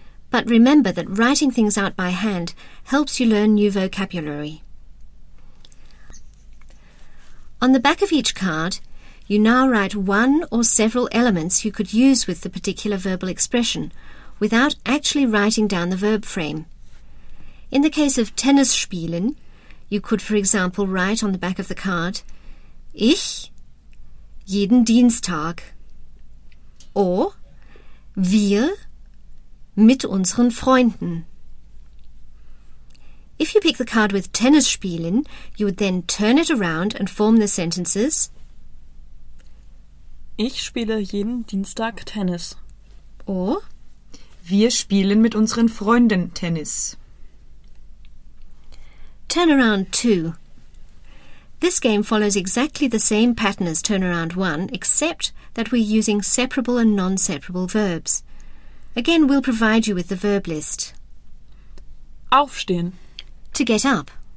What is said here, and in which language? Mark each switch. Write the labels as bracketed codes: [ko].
[en] But remember that writing things out by hand helps you learn new vocabulary. On the back of each card, you now write one or several elements you could use with the particular verbal expression, without actually writing down the verb frame. In the case of tennis spielen, you could, for example, write on the back of the card, [de] Ich jeden Dienstag, [en] or [de] wir mit unseren Freunden. [en] If you pick the card with tennis spielen, you would then turn it around and form the sentences. [de] Ich spiele jeden Dienstag Tennis. [en] Or [de] wir spielen mit unseren Freunden Tennis. [en] Turnaround 2. This game follows exactly the same pattern as turnaround 1, except that we're using separable and non-separable verbs. Again, we'll provide you with the verb list. [de] Aufstehen. [en] To get up.